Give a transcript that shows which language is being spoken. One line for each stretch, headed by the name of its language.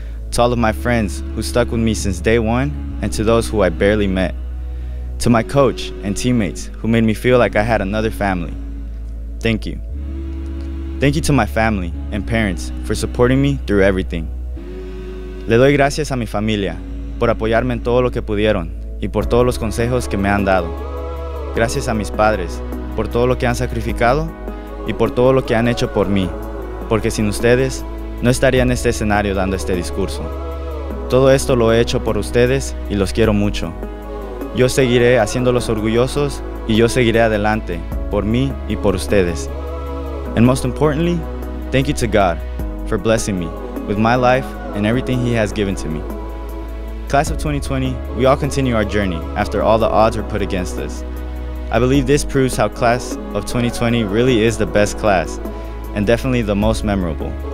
English: To all of my friends who stuck with me since day one, and to those who I barely met. To my coach and teammates who made me feel like I had another family. Thank you. Thank you to my family and parents for supporting me through everything.
Spanish: Le doy gracias a mi familia por apoyarme en todo lo que pudieron y por todos los consejos que me han dado. Gracias a mis padres por todo lo que han sacrificado y por todo lo que han hecho por mí, porque sin ustedes no estaría en este escenario dando este discurso. Todo esto lo he hecho por ustedes y los quiero mucho. Yo seguiré haciéndolos orgullosos y yo seguiré adelante por mí y por ustedes.
English: And most importantly, thank you to God for blessing me with my life and everything He has given to me. Class of 2020, we all continue our journey after all the odds were put against us. I believe this proves how Class of 2020 really is the best class and definitely the most memorable.